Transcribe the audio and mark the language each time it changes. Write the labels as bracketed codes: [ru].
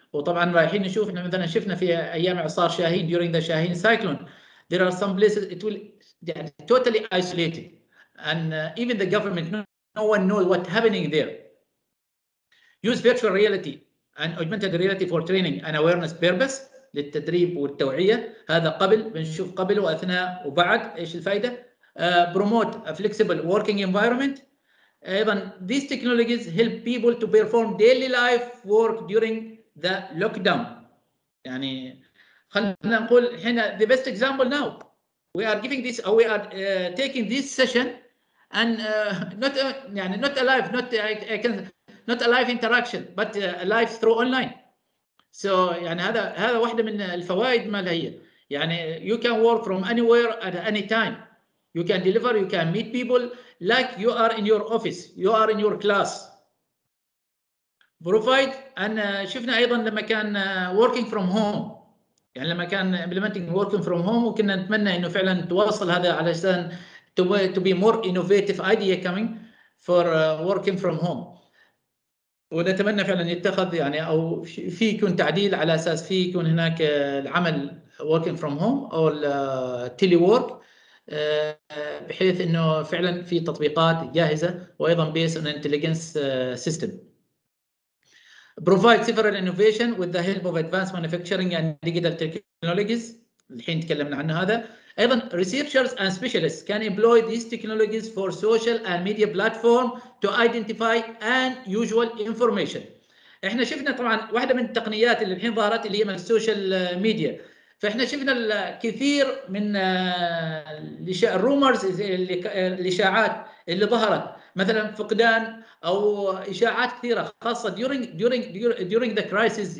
[ar] وطبعا رايحين نشوف انه مثلا شفنا في ايام اعصار شاهين [en] during the شاهين cyclone there are some places it will يعني totally isolated and even the government no one knows what happening there. Use virtual reality and augmented reality for training and awareness purpose [ar] للتدريب والتوعيه. هذا قبل بنشوف قبل واثناء وبعد ايش الفائده. [en] Promote a flexible working environment. Even these technologies help people to perform daily life work during the lockdown. يعني [ar] خلنا نقول هنا [en] the best example now. We are giving this, or we are taking this session, and not a live interaction, but a live through online. [ar] So يعني هذا واحدة من الفوائد مالها هي. [en] يعني you can work from anywhere at any time. You can deliver, you can meet people like you are in your office, you are in your class. Provide, and [ar] شفنا ايضا لما كان [en] working from home, يعني لما كان implementing working from home, [ar] وكنا نتمنى انه فعلا توصل هذا علشان [en] to be more innovative idea coming for working from home. [ar] ونتمنى فعلا يتخذ يعني او في يكون تعديل على اساس في يكون هناك العمل [en] working from home [ar] او telework. بحيث انه فعلا في تطبيقات جاهزه وايضا [en] Base ان intelligence system provide several innovation with the help of advanced manufacturing and digital technologies. [ar] الحين تكلمنا عن هذا. [en] ايضا researchers and specialists can employ these technologies for social and media platform to identify unusual information. [ar] احنا شفنا طبعا واحده من التقنيات اللي الحين ظهرت اللي هي من السوشيال ميديا. فاحنا شفنا الكثير من الرومرز الاشاعات اللي ظهرت مثلا فقدان او اشاعات كثيره خاصه [en] during the crisis.